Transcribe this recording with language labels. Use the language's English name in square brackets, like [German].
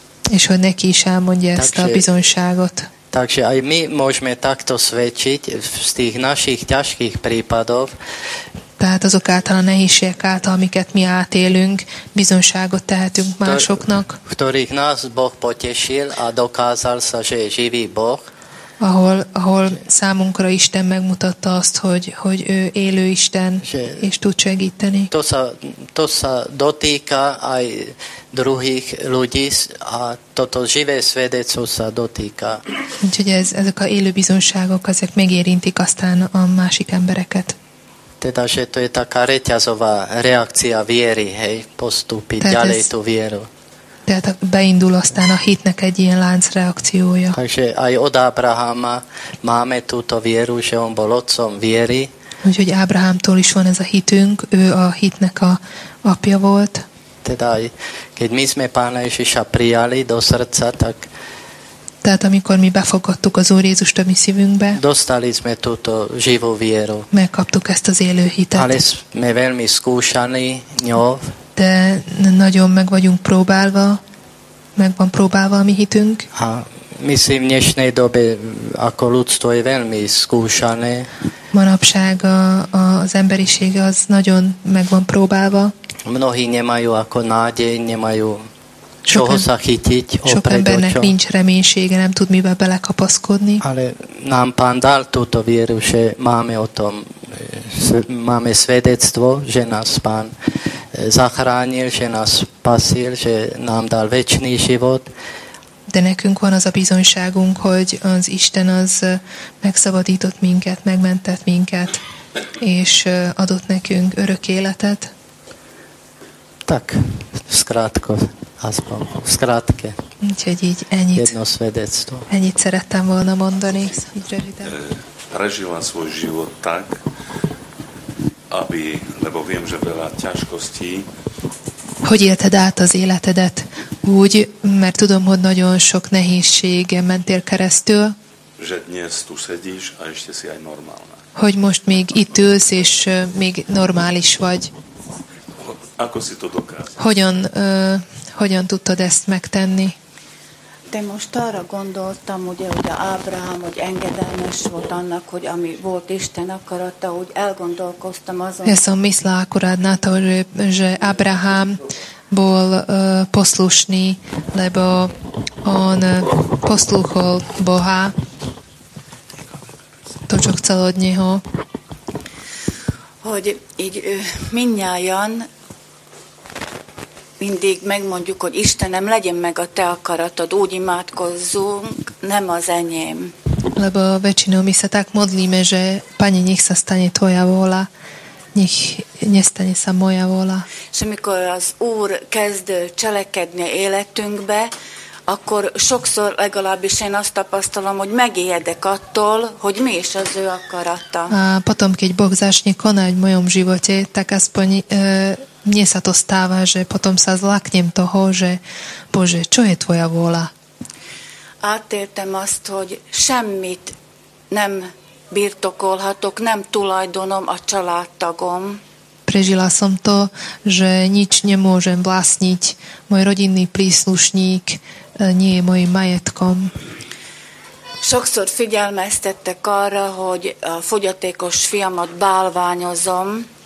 [Hungarian] És hogy neki is elmondja ezt a bizonyságot. [Slovak] Takže aj my môžeme takto svedčiť z tých našich ťažkých prípadov. [Hungarian] Tehát azok által a nehézségek által, amiket mi átélünk, bizonságot tehetünk másoknak. [Slovak] Ktorých nás Boh potešil a dokázal sa, že je živý Boh. [Hungarian] Ahol számunkra Isten megmutatta azt, hogy ő élő Isten, és tud segíteni. [Slovak] To sa dotýka aj druhých ľudí a toto živé svedectvo sa dotýka. [Hungarian] Úgyhogy ezek a élő bizonságok, ezek megérintik aztán a másik embereket. [Slovak] Teda, že to je taká reťazová reakcia viery, hej, postúpiť ďalej tú vieru. [Hungarian] Tehát beindul aztán a hitnek egy ilyen láncreakciója. [Slovak] Takže aj od Abrahama máme túto vieru, že on bol otcom viery. [Hungarian] Úgyhogy Ábrahámtól is van ez a hitünk, ő a hitnek a apja volt. [Slovak] Teda, keď my sme Pána Ježiša prijali do srdca, tak... [Hungarian] Tehát amikor mi befogadtuk az Úr Jézust a mi szívünkbe, [Slovak] dostali sme túto živú vieru. [Hungarian] Megkaptuk ezt az élő hitet. [Slovak] Ale sme veľmi skúšaní ňou. [Hungarian] De nagyon meg vagyunk próbálva, meg van próbálva a mi hitünk. [Slovak] A myslím, dnešnej dobe ako ľudstvo je veľmi skúšané. [Hungarian] Manapság az emberiség az nagyon meg van próbálva. [Slovak] Mnohí nemajú ako nádej, nemajú čoho sa chytiť. [Hungarian] Sok embernek nincs reménysége, nem tud mivel belekapaszkodni. [Slovak] Ale nám Pán dal túto vieru, že máme o tom, máme svedectvo, že nás Pán zachránil, že nás spasil, že nám dal večný život. [Hungarian] De nekünk van az a bizonyságunk, hogy az Isten az megszabadított minket, megmentett minket, és adott nekünk örök életet. [Slovak] Tak, skrátke. [Hungarian] Úgyhogy így ennyit. [Slovak] Jedno svedectvo. [Hungarian] Ennyit szerettem volna mondani. [Slovak] Prežila svoj život tak, lebo viem, že veľa ťažkostí. [Hungarian] Hogy élted át az életedet? Úgy, mert tudom, hogy nagyon sok nehézség mentél keresztül. [Slovak] Že dnes tu sedíš a ešte si aj normálna. [Hungarian] Hogy most még itt ülsz, és még normális vagy. [Slovak] Ako si to dokázal? [Hungarian] Hogyan tudtad ezt megtenni? De most arra gondoltam, ugye, hogy Ábrahám, hogy engedelmes volt annak, hogy ami volt Isten akarata, úgy elgondolkoztam azon. [Slovak] Ja som myslela akurát na to, že Abraham bol poslušný, lebo on poslúchol Boha, to, čo chcel od neho. [Hungarian] Hogy így mindnyájan mindig megmondjuk, hogy Istenem, legyen meg a te akaratod, úgy imádkozzunk, nem az enyém. [Slovak] Lebo väčšinou mi sa tak modlíme, že Pane, nech sa stane tvoja vôľa, nech nestane sa moja vôľa. [Hungarian] És amikor az Úr kezd cselekedni életünkbe, akkor sokszor legalábbis én azt tapasztalom, hogy megijedek attól, hogy mi is az ő akarata. [Slovak] A potom, keď Boh začne konať v mojom živote, tak aspoň mne sa to stáva, že potom sa zlaknem toho, že Bože, čo je tvoja vôľa? [Hungarian] Átéltem azt, hogy semmit nem birtokolhatok, nem tulajdonom a családtagom. [Slovak] Prežila som to, že nič nemôžem vlastniť. Môj rodinný príslušník nie je mojim majetkom. [Hungarian] Sokszor figyelmeztettek arra, hogy a fogyatékos fiamat bálványozom.